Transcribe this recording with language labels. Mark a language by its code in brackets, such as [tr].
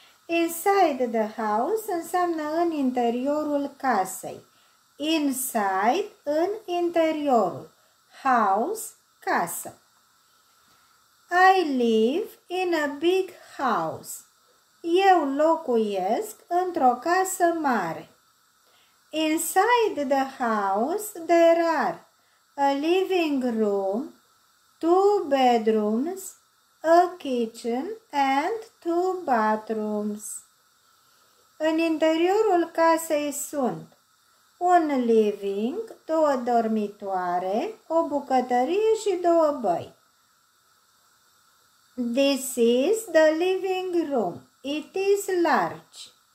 [en] Inside the house [ro] înseamnă în interiorul casei. Inside, în interiorul. House, casă. [en] I live in a big house. [ro] Eu locuiesc într-o casă mare. [en] Inside the house there are a living room, two bedrooms, a kitchen and two bathrooms. [ro] În interiorul casei sunt un living, două dormitoare, o bucătărie și două băi. [en] This is the living room. It is large.